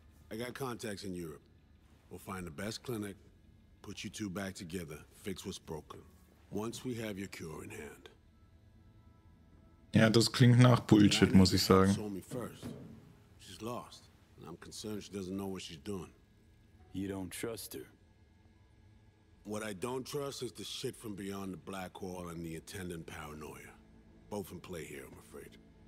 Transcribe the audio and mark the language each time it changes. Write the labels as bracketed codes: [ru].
[en] I got contacts in Europe. We'll find the best clinic, put you two back together, fix what's broken. Once we have your cure in hand. [de] Ja, das klingt nach Bullshit, muss ich sagen. [en] Saw me first. She's lost, and I'm concerned she doesn't know what she's doing. You don't trust her. What I don't trust is the shit from beyond the Black Wall and the attendant paranoia. Both in play here, I'm afraid.